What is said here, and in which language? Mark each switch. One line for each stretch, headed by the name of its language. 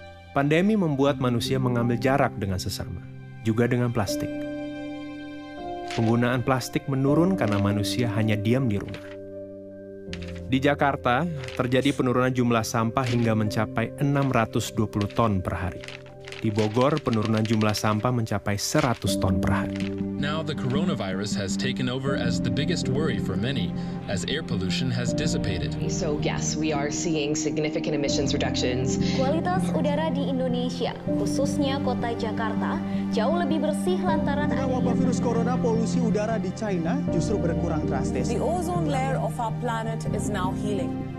Indonesian: Pandemi membuat manusia mengambil jarak dengan sesama, juga dengan plastik. Penggunaan plastik menurun karena manusia hanya diam di rumah. Di Jakarta, terjadi penurunan jumlah sampah hingga mencapai 620 ton per hari. Di Bogor, penurunan jumlah sampah mencapai 100 ton per hari.
English: Now the coronavirus has taken over as the biggest worry for many, as air pollution has dissipated. So yes, we are seeing significant emissions reductions.
Indonesian: Kualitas udara di Indonesia, khususnya kota Jakarta, jauh lebih bersih lantaran adanya wabah virus corona. Polusi udara di China justru berkurang drastis.
English: The ozone layer of our planet is now healing.